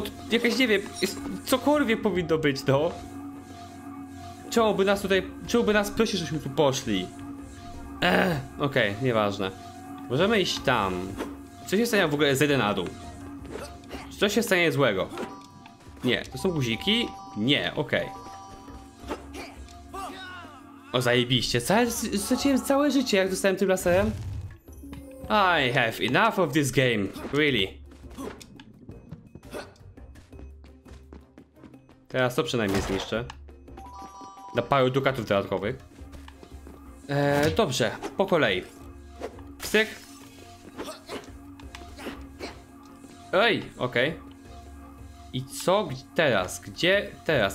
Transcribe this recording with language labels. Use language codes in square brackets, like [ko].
[pl] Jakaś, nie wiem, cokolwiek powinno być, no. Czemu by nas prosił, żebyśmy tu poszli? Okej, okay, nieważne. Możemy iść tam. Co się stanie w ogóle, zejdę na dół? Co się stanie złego? Nie, to są guziki? Nie, okej. O, zajebiście, straciłem całe życie, jak dostałem tym laserem. [en] I have enough of this game, really. [pl] Teraz to przynajmniej zniszczę. Na paru dukatów dodatkowych. Dobrze, po kolei. Psyk. Ej, okej. I co teraz? Gdzie teraz?